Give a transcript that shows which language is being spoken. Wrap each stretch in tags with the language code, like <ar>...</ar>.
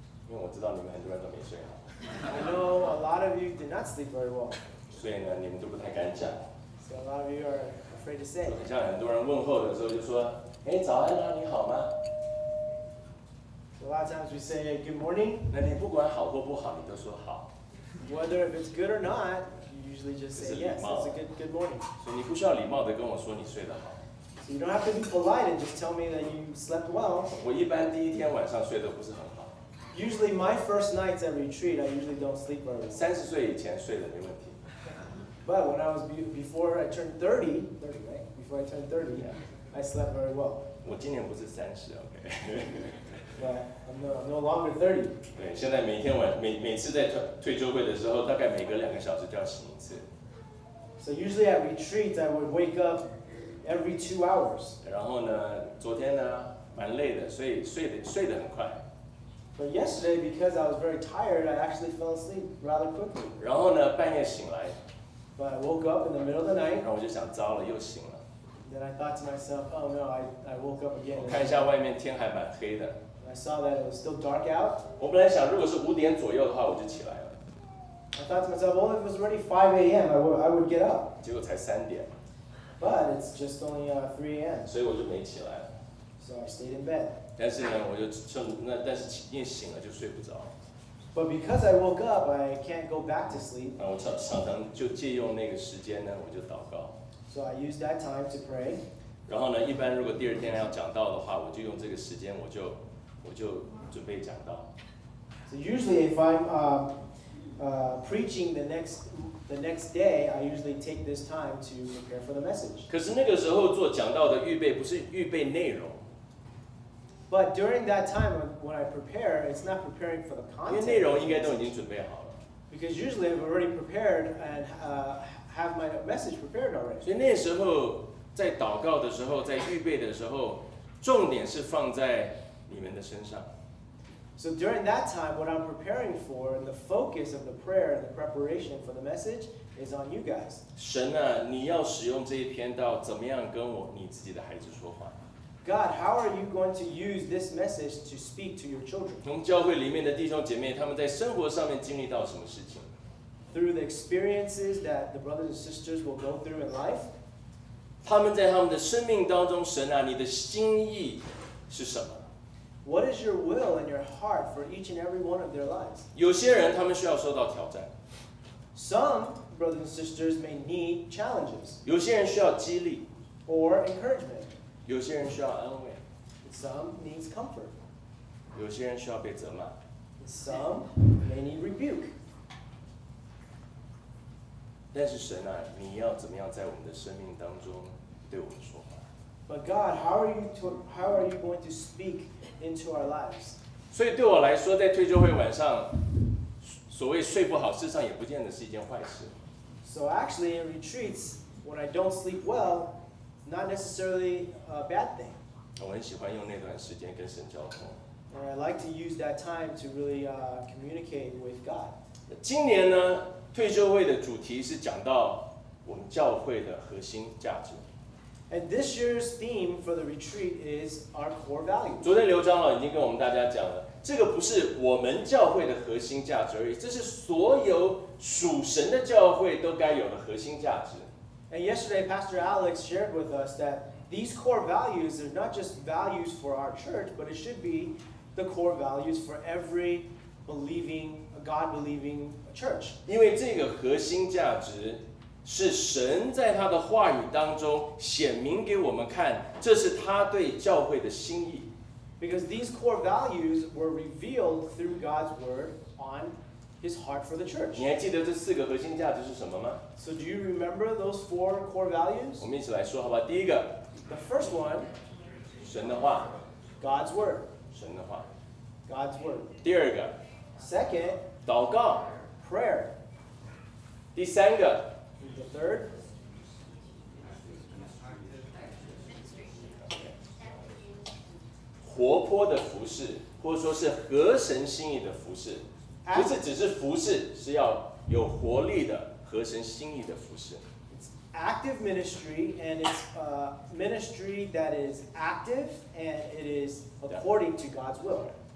<zh>因为我知道你们很多人都没睡好。</zh> <en>I know a lot of you did not sleep very well.</en> <zh>所以呢，你们都不太敢讲。</zh> <en>So a lot of you are afraid to say.</en> <zh>就像很多人问候的时候就说，哎，早安啊，你好吗？</zh> <en>So a lot of times we say good morning.</en> <zh>那你不管好或不好，你都说好。</zh> <en>Whether if it's good or not, you usually just say yes. It's a good morning.</en> <zh>所以你不需要礼貌的跟我说你睡得好。</zh> <en>You don't have to be polite and just tell me that you slept well.</en> <zh>我一般第一天晚上睡得不是很好。</zh> <en>Usually my first nights at retreat, I usually don't sleep very well.</en> <zh>30岁以前睡得没问题。</zh> <en>But when I was before I turned 30, right? Before I turned 30, yeah, I slept very well.</en> <zh>我今年不是30 ，OK。</zh> <en>I'm no longer 30.</en> <zh>对，现在每天晚每次在退休会的时候，大概每隔2个小时就要醒一次。</zh> <en>So usually at retreat, I would wake up. Every 2 hours.</en> <zh>然后呢，昨天呢，蛮累的，所以睡得很快。</zh> <en>But yesterday, because I was very tired, I actually fell asleep rather quickly.</en> <zh>然后呢，半夜醒来。</zh> <en>But I woke up in the middle of the night.</en> <zh>然后我就想，糟了，又醒了。</zh> <en>Then I thought to myself, oh no, I woke up again.</en> <zh>我看一下外面天还蛮黑的。</zh> <en>I saw that it was still dark out.</en> <zh>我本来想，如果是5点左右的话，我就起来了。</zh> <en>I thought to myself, well, if it was already 5 a.m., I would get up.</en> <zh>结果才3点。</zh> <en>But it's just only 3 a.m.</en> <zh>所以我就没起来。</zh> <en>So I stayed in bed.</en> <zh>但是呢，我就趁那，但是一醒了就睡不着。</zh> <en>But because I woke up, I can't go back to sleep.</en> <zh>我常常就借用那个时间呢，我就祷告。</zh> <en>So I used that time to pray.</en> <zh>然后呢，一般如果第二天要讲道的话，我就用这个时间，我就准备讲道。</zh> <en>So usually if I'm preaching the next day, I usually take this time to prepare for the message.</en> <zh>可是那个时候做讲道的预备不是预备内容。</zh> <en>But during that time when I prepare, it's not preparing for the content.</en> <zh>因为内容应该都已经准备好了。</zh> <en>Because usually I've already prepared and have my message prepared already.</en> <zh>所以那时候在祷告的时候，在预备的时候，重点是放在你们的身上。</zh> <en>So during that time, what I'm preparing for, and the focus of the prayer and the preparation for the message is on you guys.</en> <zh>神啊，你要使用这一篇道，怎么样跟我你自己的孩子说话？</zh> <en>God, how are you going to use this message to speak to your children?</en> <zh>从教会里面的弟兄姐妹，他们在生活上面经历到什么事情？</zh> <en>Through the experiences that the brothers and sisters will go through in life,</en> <zh>他们在他们的生命当中，神啊，你的心意是什么？</zh> <en>What is your will and your heart for each and every one of their lives?</en> <zh>有些人他们需要受到挑战。</zh> <en>Some brothers and sisters may need challenges.</en> <zh>有些人需要激励。</zh> <en>Or encouragement.</en> <zh>有些人需要安慰。</zh> <en>Some needs comfort.</en> <zh>有些人需要被责骂。</zh> <en>Some may need rebuke.</en> <zh>但是神啊，你要怎么样在我们的生命当中对我们说话？</zh> <en>But God, how are you going to speak into our lives?</en> <zh>所以对我来说，在退休会晚上，所谓睡不好，事实上也不见得是一件坏事。</zh> <en>So actually, in retreats, when I don't sleep well, not necessarily a bad thing.</en> <zh>我很喜欢用那段时间跟神交通。</zh> <en>And I like to use that time to really communicate with God.</en> <zh>今年呢，退休会的主题是讲到我们教会的核心价值。</zh> <en>And this year's theme for the retreat is our core values.</en> <zh>昨天刘长老已经跟我们大家讲了，这个不是我们教会的核心价值而已，这是所有属神的教会都该有的核心价值。</zh> <en>And yesterday, Pastor Alex shared with us that these core values are not just values for our church, but it should be the core values for every believing, God-believing church.</en> <zh>因为这个核心价值。是神在他的话语当中显明给我们看，这是他对教会的心意。</zh> <en>Because these core values were revealed through God's word on his heart for the church.</en> <zh>你还记得这四个核心价值是什么吗？</zh> <en>So do you remember those four core values?</en> <zh>我们一起来说好吧。第一个，</zh> <en>the first one，</en> <zh>神的话，</zh> <en>God's word，</en> <zh>神的话，</zh> <en>God's word。</en> <zh>第二个，</zh> <en>second，</en> <zh>祷告，</zh> <en>prayer。</en> <zh>第三个，</zh> <en>the third，</en> <zh>活泼的服事，或者说是合神心意的服事，不是只是服事，是要有活力的合神心意的服事。</zh> <en>It's active ministry and it's a ministry that is active and it is according to God's will.</en>